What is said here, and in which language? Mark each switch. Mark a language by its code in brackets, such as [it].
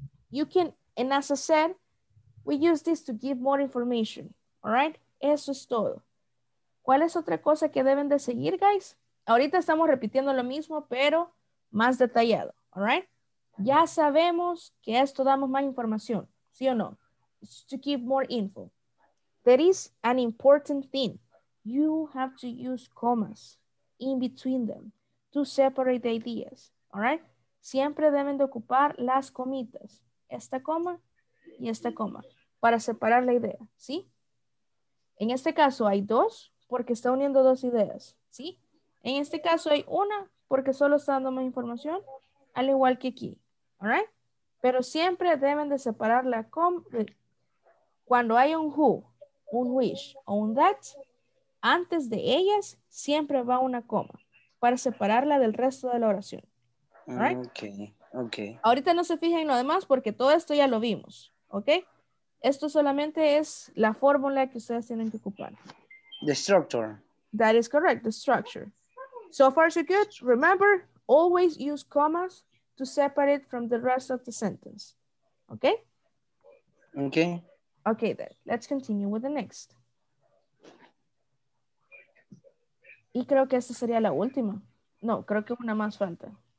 [en] You can, and as I said, we use this to give more information, all right? [es] Eso es todo. ¿Cuál es otra cosa que deben de seguir, guys? Ahorita estamos repitiendo lo mismo, pero más detallado, [en] all right? [es] Ya sabemos que esto damos más información, ¿sí o no? [en] It's to give more info. There is an important thing. You have to use commas in between them to separate the ideas, all right? [es] Siempre deben de ocupar las comitas, esta coma y esta coma, para separar la idea, ¿sí? En este caso hay dos porque está uniendo dos ideas, ¿sí? En este caso hay una porque solo está dando más información, al igual que aquí, [en] all right? [es] Pero siempre deben de separar la coma. Cuando hay un who, un which o un that, antes de ellas siempre va una coma para separarla del resto de la oración. Right? Okay. Ahorita no se fijen en lo demás porque todo esto ya lo vimos. Okay? Esto solamente es la fórmula que ustedes tienen que ocupar. [en] The structure. That is correct, the structure. So far so good. Remember, always use commas to separate from the rest of the sentence. Okay? Okay. Okay, then, let's continue with the next. [es] Y creo que esta sería la última. No, creo que una más falta.